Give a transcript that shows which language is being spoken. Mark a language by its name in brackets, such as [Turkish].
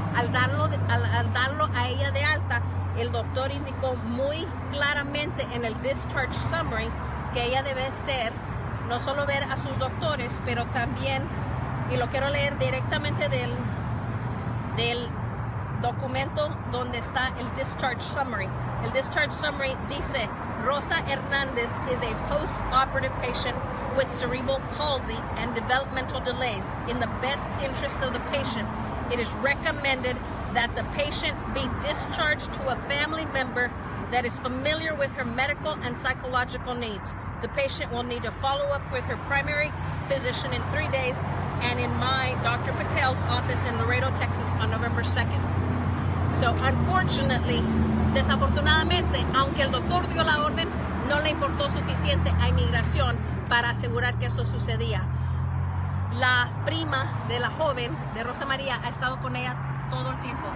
[Spanish] Al darlo a ella de alta, el doctor indicó muy claramente en el discharge summary que ella debe ser, no solo ver a sus doctores, pero también, y lo quiero leer directamente del documento donde está el discharge summary. El discharge summary dice, [English] Rosa Hernandez is a post-operative patient with cerebral palsy and developmental delays. In the best interest of the patient, it is recommended that the patient be discharged to a family member that is familiar with her medical and psychological needs. The patient will need to follow up with her primary physician in 3 days and in my Dr. Patel's office in Laredo, Texas on November 2nd. So unfortunately, [Spanish] desafortunadamente, aunque el doctor dio la orden, no le importó suficiente a inmigración para asegurar que esto sucedía. La prima de la joven, de Rosa María, ha estado con ella todo el tiempo.